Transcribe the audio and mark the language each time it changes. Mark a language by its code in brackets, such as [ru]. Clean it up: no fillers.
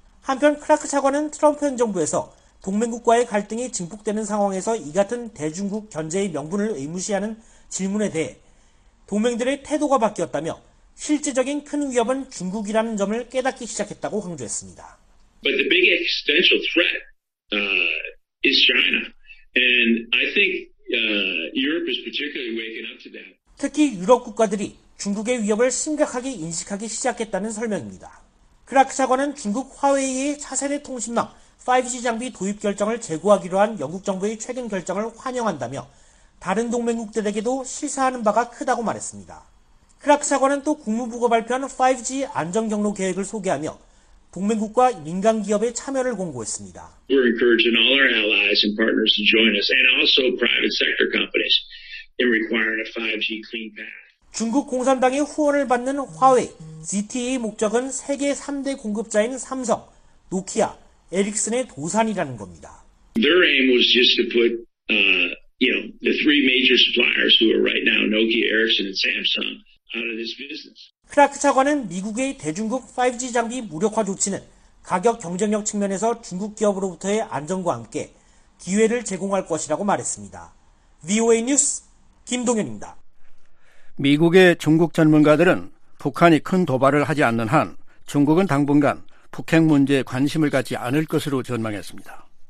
[ko] 한편 클라크 차관은 트럼프 현 정부에서 동맹국과의 갈등이 증폭되는 상황에서 이 같은 대중국 견제의 명분을 의무시하는 질문에 대해 동맹들의 태도가 바뀌었다며 실질적인 큰 위협은 중국이라는 점을 깨닫기 시작했다고 강조했습니다. [en] But the big existential threat is China. And I think Europe is particularly waking up to that. [ko] 특히 유럽 국가들이 중국의 위협을 심각하게 인식하기 시작했다는 설명입니다. 클라크 차관은 중국 화웨이의 차세대 통신망 5G 장비 도입 결정을 재고하기로 한 영국 정부의 최근 결정을 환영한다며 다른 동맹국들에게도 시사하는 바가 크다고 말했습니다. 클라크 차관은 또 국무부가 발표한 5G 안전 경로 계획을 소개하며 동맹국과 민간 기업의 참여를 공고했습니다. [en] We're encouraging all our allies and partners to join us and also private sector companies in requiring a 5G clean path. [ko] 중국 공산당의 후원을 받는 화웨이, ZTE의 목적은 세계 3대 공급자인 삼성, 노키아, 에릭슨의 도산이라는 겁니다. [en] Their aim was just to put the three major suppliers who are right now Nokia, Ericsson and Samsung out of this business. [ko] 클라크 차관은 미국의 대중국 5G 장비 무력화 조치는 가격 경쟁력 측면에서 중국 기업으로부터의 안정과 함께 기회를 제공할 것이라고 말했습니다. VOA 뉴스 김동현입니다. 미국의 중국 전문가들은 북한이 큰 도발을 하지 않는 한 중국은 당분간 북핵 문제에 관심을 갖지 않을 것으로 전망했습니다.